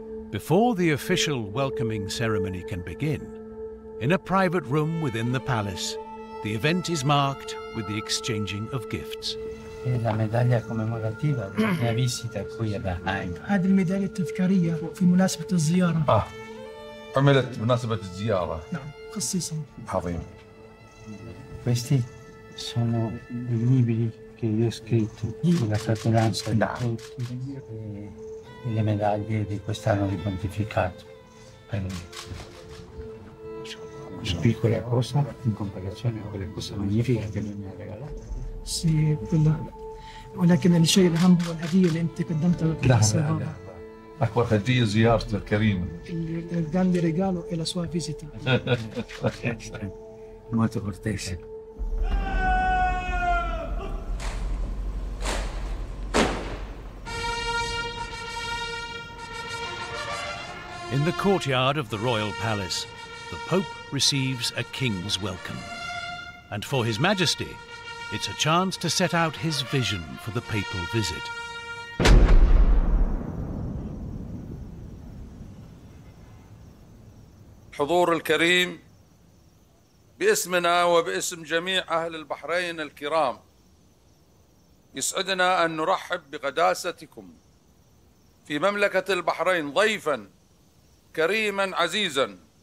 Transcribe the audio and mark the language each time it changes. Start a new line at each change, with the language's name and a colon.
English: Before the official welcoming ceremony can begin, in a private room within the palace, the event is marked with the exchanging of gifts.
Italian: La medaglia commemorativa della visita qui a Bahrain.
Arabic: هذه الميدالية التذكارية في مناسبة الزيارة. آه، عملت مناسبة الزيارة. نعم، خصيصا. عظيم.
Italian: Questi sono i libri che io ho scritto sulla fratellanza.
Arabic: نعم.
Italian: E le medaglie di quest'anno di pontificato. Piccola cosa in comparazione con le cose magnifiche che lui mi ha regalato. Sì, quella.
Arabic: ولكن الشيء الأهم هو الهدية اللي أنت قدمتها لك. لا لا لا. أكبر هدية زيارته الكريمة.
Italian: Il grande regalo è la sua visita. Molto cortese.
English: In the courtyard of the royal palace, the Pope receives a king's welcome. And for His Majesty, it's a chance to set out his vision for the papal visit.
Arabic: حضور الكريم باسمنا وباسم جميع أهل البحرين الكرام يسعدنا أن نرحب بقداستكم في مملكة البحرين ضيفا كريما عزيزا